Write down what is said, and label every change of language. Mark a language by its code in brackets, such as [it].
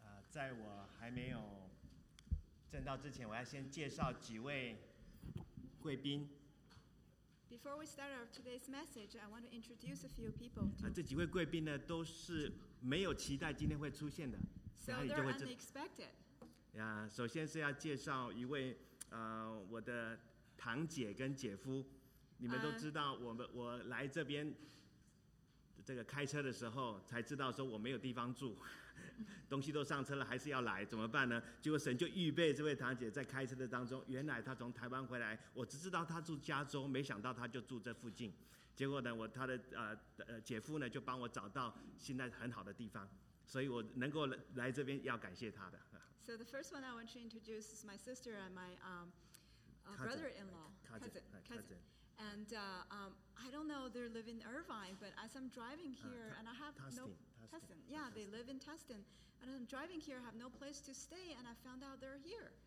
[zh] 在我还没有证道之前，我要先介绍几位贵宾。 [en] Before we start our today's message, I want to introduce a few people. [zh] 这几位贵宾呢，都是没有期待今天会出现的。 [en] So they're unexpected. [zh] 首先是要介绍一位我的堂姐跟姐夫。你们都知道我来这边。这个开车的时候才知道说我没有地方住，东西都上车了还是要来，怎么办呢？结果神就预备这位堂姐在开车的当中，原来她从台湾回来，我只知道她住加州，没想到她就住这附近。结果呢，她的姐夫呢就帮我找到现在很好的地方，所以我能够来这边要感谢她的。 [en] So the first one I want to introduce is my sister and my brother-in-law, cousin. And I don't know, they live in Irvine, but as I'm driving here, and I have Tustin, no... Tustin. Yeah, Tustin. They live in Tustin. And I'm driving here, I have no place to stay, and I found out they're here.